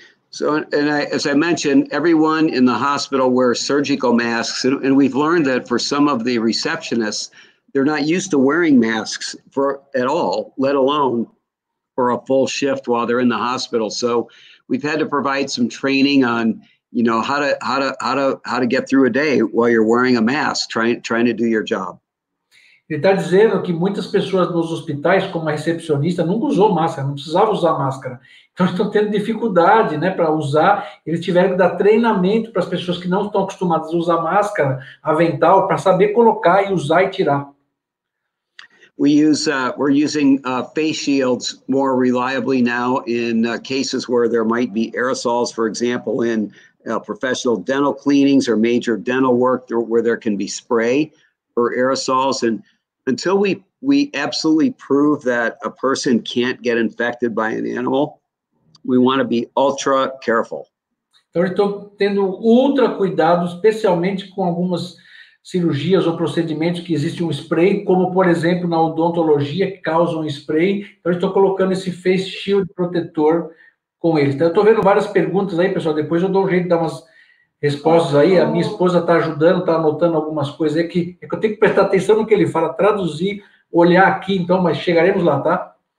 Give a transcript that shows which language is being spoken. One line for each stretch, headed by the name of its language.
English: So, and as I mentioned, everyone in the hospital wears surgical masks, and we've learned that for some of the receptionists, they're not used to wearing masks for at all, let alone for a full shift while they're in the hospital. So we've had to provide some training on, you know, how to get through a day while you're wearing a mask, trying to do your job.
Portuguese: Ele está dizendo que muitas pessoas nos hospitais, como a recepcionista, nunca usou máscara, não precisava usar máscara. Então, estão tendo dificuldade, né, para usar. Eles tiveram que dar treinamento para as pessoas que não estão acostumadas a usar máscara, avental, para saber colocar e usar e tirar.
English: We're using face shields more reliably now in cases where there might be aerosols, for example, in professional dental cleanings or major dental work where there can be spray or aerosols, and until we absolutely prove that a person can't get infected by an animal, we want to be ultra careful.
Portuguese: Então, eu estou tendo ultra cuidado, especialmente com algumas cirurgias ou procedimentos que existe um spray, como, por exemplo, na odontologia, que causa um spray. Então, eu estou colocando esse face shield protetor com ele. Então, eu estou vendo várias perguntas aí, pessoal. Depois eu dou um jeito de dar umas respostas aí, a minha esposa está ajudando, está anotando algumas coisas, é que eu tenho que prestar atenção no que ele fala, traduzir, olhar aqui, então, mas chegaremos lá, tá?